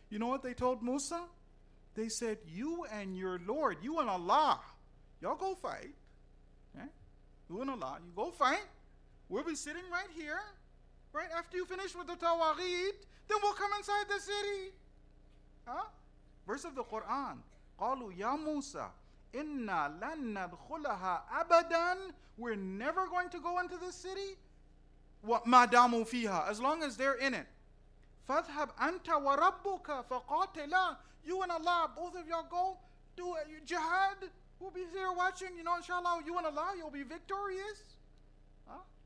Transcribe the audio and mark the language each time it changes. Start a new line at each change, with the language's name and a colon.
English: You know what they told Musa? They said, you and your Lord, you and Allah, y'all go fight. Okay? You and Allah, you go fight. We'll be sitting right here. Right after you finish with the tawarid, then we'll come inside the city. Huh? Verse of the Quran,
Arabic: قَالُوا يَا مُوسَىٰ إِنَّا لَن نَدْخُلَهَا أَبَدًا.
English: We're never going to go into the city.
Arabic: مَا دَامُوا فِيهَا.
English: As long as they're in it.
Arabic: فَذْهَبْ أَنْتَ وَرَبُّكَ فَقَاتِلَا.
English: You and Allah, both of y'all go do a jihad. We'll be here watching. You know, inshallah, you and Allah, you'll be victorious. Huh?